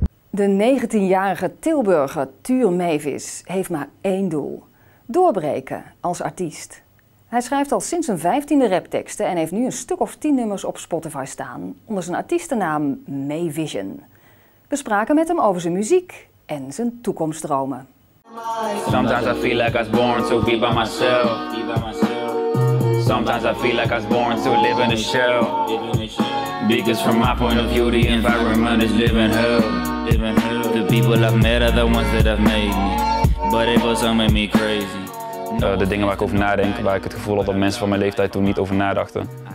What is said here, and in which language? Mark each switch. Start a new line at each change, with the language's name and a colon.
Dutch: De 19-jarige Tilburger Tuur Mevis heeft maar één doel. Doorbreken als artiest. Hij schrijft al sinds zijn 15e rapteksten en heeft nu een stuk of 10 nummers op Spotify staan onder zijn artiestennaam Mevision. We spraken met hem over zijn muziek en zijn toekomstdromen.
English: Sometimes I feel like I was born to be by myself. Sometimes I feel like I was born to live in a shell. Because from my point of view, the environment is living hell. The people I've met are the ones that have made me. But it was all made me crazy.
Dutch: De dingen waar ik over nadenk, waar ik het gevoel had dat mensen van mijn leeftijd toen niet over nadachten.